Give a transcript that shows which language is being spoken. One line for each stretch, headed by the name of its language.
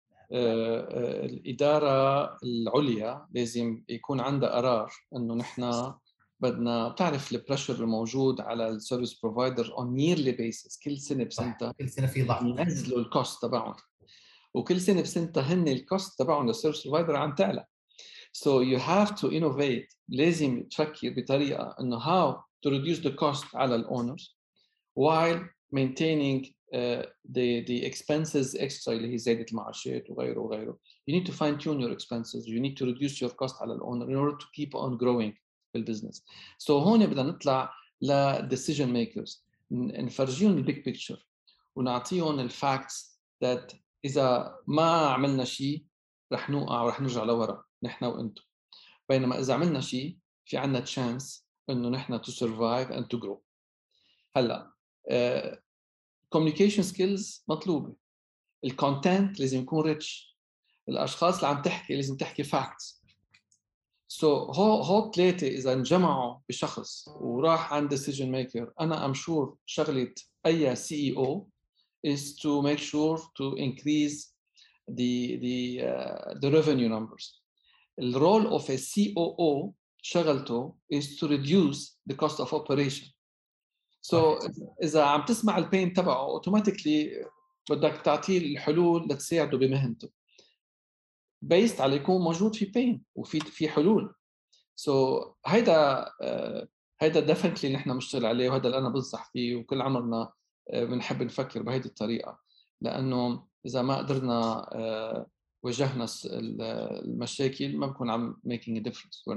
Arabic: الإدارة العليا لازم يكون عندها قرار إنه نحنا بدنا بتعرف البريشر الموجود على السيرفيس بروفايدر
English: on yearly basis
Arabic: كل سنة بسنتة كل سنة في ضعف ينزلوا الكوست تبعهم وكل سنة بسنتة هن الكوست تبعهم للسيرفيس بروفايدر عم تعلى.
English: So you have to innovate
Arabic: لازم تفكر بطريقة إنه
English: how to reduce the cost على the owners while maintaining the expenses extra
Arabic: اللي هي زيادة المعاشات وغيره وغيره.
English: You need to fine tune your expenses. You need to reduce your cost على the owner in order to keep on growing the business.
Arabic: So هون بدنا نطلع ل decision makers نفرجيهم
English: the big picture
Arabic: ونعطيهم
English: the facts that
Arabic: إذا ما عملنا شيء رح نوقع ورح نرجع لورا نحن وأنتم. بينما إذا عملنا شيء في عنا chance انه نحن
English: to survive and to grow.
Arabic: هلا
English: communication skills
Arabic: مطلوبه. الكونتنت لازم يكون rich. الاشخاص اللي عم تحكي لازم تحكي facts. So هو ثلاثه اذا انجمعوا بشخص وراح عند
English: decision maker انا am sure
Arabic: شغله
English: أي CEO is to make sure to increase the revenue numbers. The role of a COO
Arabic: شغلته
English: is to reduce the cost of operation.
Arabic: So إذا عم تسمع البين تبعه automatically بدك تعطيه الحلول لتساعده بمهنته. Based على يكون موجود في pain وفي حلول. So هيدا هيدا definitely نحن مشتغل عليه وهذا اللي أنا بنصح فيه وكل عمرنا بنحب نفكر بهذه الطريقة لأنه إذا ما قدرنا وجهنا المشاكل ما بكون عم
English: making a difference.